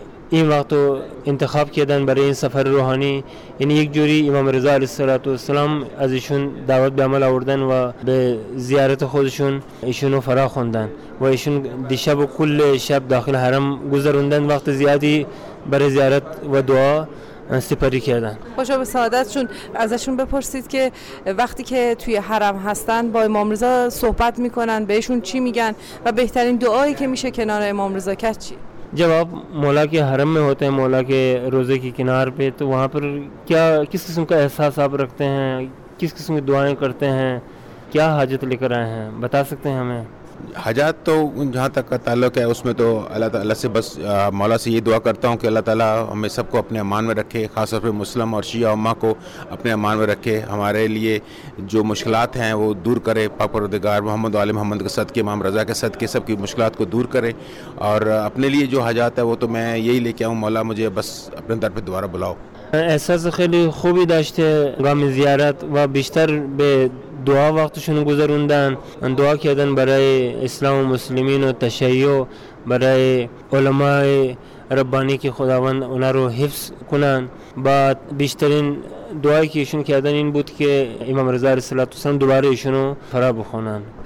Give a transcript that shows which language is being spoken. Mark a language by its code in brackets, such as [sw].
[fa] این وقت رو انتخاب کردن برای این سفر روحانی، یعنی یک جوری امام رضا علیه السلام از ایشون دعوت به عمل آوردن و به زیارت خودشون ایشون رو فرا خوندن و ایشون دیشب و کل شب داخل حرم گذروندن، وقت زیادی برای زیارت و دعا سپری کردن. خوشا به سعادتشون. ازشون بپرسید که وقتی که توی حرم هستن با امام رضا صحبت میکنن، بهشون چی میگن و بهترین دعایی که میشه کنار امام رضا کرد چی؟ [ur] جواب مولا کے حرم میں ہوتے ہیں، مولا کے روزے کے کنار پہ، تو وہاں پر کیا کس قسم کا احساس آپ رکھتے ہیں، کس قسم کی دعائیں کرتے ہیں، کیا حاجت لے کر آئے ہیں، بتا سکتے ہیں ہمیں؟ حاجات تو جہاں تک کا تعلق ہے اس میں تو اللہ تعالیٰ سے بس مولا سے یہ دعا کرتا ہوں کہ اللہ تعالیٰ ہمیں سب کو اپنے امان میں رکھے، خاص طور پہ مسلم اور شیعہ امہ کو اپنے امان میں رکھے، ہمارے لیے جو مشکلات ہیں وہ دور کرے، پاک پروردگار محمد و آل محمد کے صدقے، امام رضا کے صدقے سب کی مشکلات کو دور کرے، اور اپنے لیے جو حاجات ہے وہ تو میں یہی لے کے آؤں، مولا مجھے بس اپنے در پہ دوبارہ بلاؤ. [fa] احساس خیلی خوبی داشتے غام زیارت و بیشتر بے دعا وقتشون گذروندن، دعا کردن برای اسلام و مسلمین و تشیع، برای علماء ربانی که خداوند اونا رو حفظ کنن. بعد بیشترین دعایی که ایشون کردن این بود که امام رضا علیه السلام دوباره ایشون رو فرا بخونن.